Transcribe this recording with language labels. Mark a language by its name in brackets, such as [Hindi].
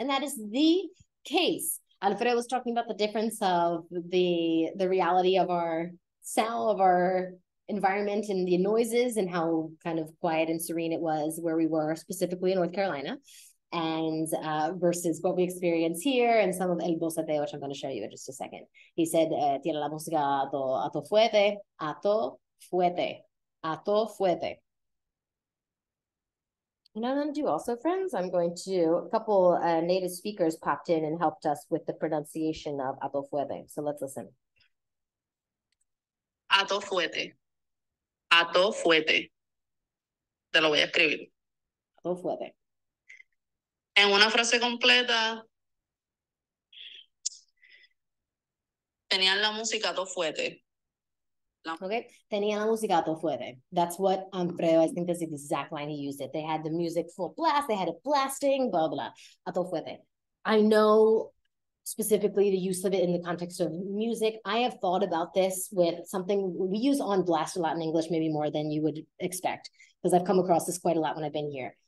[English] And that is the case. Alfredo was talking about the difference of the reality of our cell, of our environment and the noises and how kind of quiet and serene it was where we were, specifically in North Carolina, and versus what we experience here and some of El Bosateo, which I'm going to show you in just a second. [Spanish] He said, tiene la música a to fuerte. [English] And I'm going to do also, friends, I'm going to, a couple native speakers popped in and helped us with the pronunciation of a to fuerte. So let's listen. [Spanish] A to fuerte. Te lo voy a escribir. A to fuerte. En una frase completa, tenían la música a to fuerte. Okay, tenía la música a todo fuerte. [English] That's what Alfredo, I think that's the exact line he used it. They had the music full blast, they had it blasting, blah, blah, a todo fuerte. I know specifically the use of it in the context of music. I have thought about this with something we use on blast a lot in English, maybe more than you would expect, because I've come across this quite a lot when I've been here.